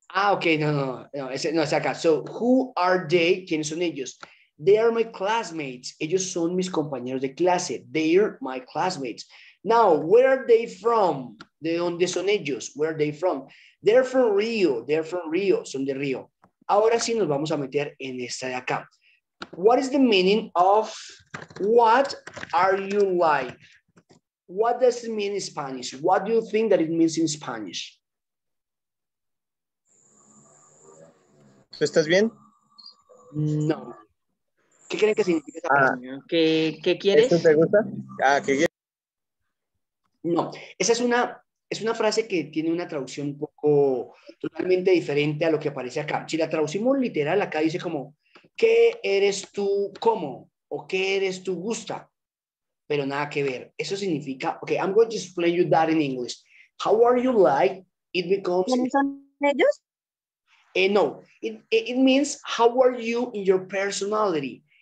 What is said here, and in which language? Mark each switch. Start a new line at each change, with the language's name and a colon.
Spanish: Ah, okay, no, es acá.
English: So, who are they?
Spanish: ¿Quiénes son ellos?
English: They are my classmates.
Spanish: Ellos son mis compañeros de clase.
English: They are my classmates. Now, where are they from?
Spanish: ¿De dónde son ellos?
English: Where are they from? They're from Rio. They're from Rio.
Spanish: Son de Rio. Ahora sí nos vamos a meter en esta de acá.
English: What is the meaning of what are you like? What does it mean in Spanish? What do you think that it means in Spanish?
Spanish: ¿Tú estás bien? No. ¿Qué creen que significa esa palabra? ¿Qué quieres? ¿Esto te gusta? Ah, ¿qué quieres? No. Esa es una... Es una frase que tiene una traducción un poco totalmente diferente a lo que aparece acá. Si la traducimos literal, acá dice como, ¿qué eres tú como? ¿O qué eres tú gusta? Pero nada que ver. Eso significa,
English: ok, I'm going to explain you that in English. How are you like? It becomes...
Spanish: ¿Quiénes son ellos? No.
English: It means, how are you in your personality?